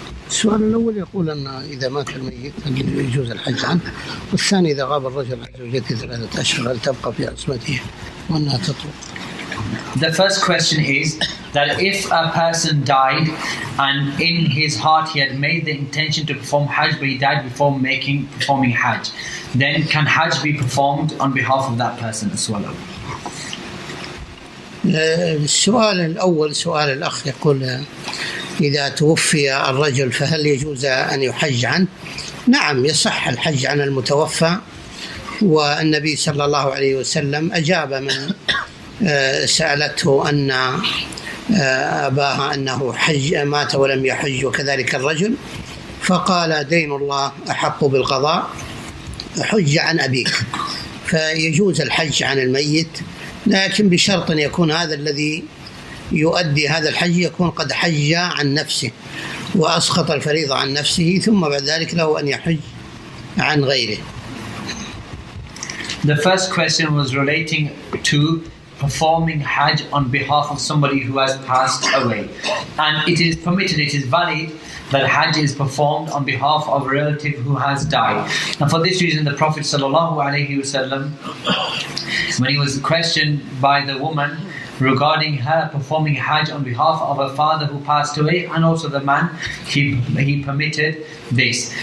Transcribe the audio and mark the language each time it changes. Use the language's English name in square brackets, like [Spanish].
[Arabic] السؤال الأول يقول أن إذا مات الميت هل يجوز الحج عنه؟ والثاني إذا غاب الرجل عن زوجته ثلاثة أشهر هل تبقى في عصمته وأنها تطلق؟ [English] The first question is that if a person died and in his heart he had made the intention to perform Hajj, but he died before performing Hajj, then can Hajj be performed on behalf of that person as well? [Arabic] السؤال الأول سؤال الأخ يقول إذا توفي الرجل فهل يجوز أن يحج عنه؟ نعم يصح الحج عن المتوفى والنبي صلى الله عليه وسلم أجاب من سألته أن أباها أنه حج مات ولم يحج وكذلك الرجل فقال دين الله أحق بالقضاء حج عن أبيك فيجوز الحج عن الميت لكن بشرط أن يكون هذا الذي يؤدي هذا الحج يكون قد حج عن نفسه وأسقط الفريضة عن نفسه ثم بعد ذلك له أن يحج عن غيره. [English] The first question was relating to performing Hajj on behalf of somebody who has passed away. And it is permitted, it is valid that Hajj is performed on behalf of a relative who has died. And for this reason, the Prophet ﷺ, when he was questioned by the woman regarding her performing Hajj on behalf of her father who passed away and also the man, he permitted this.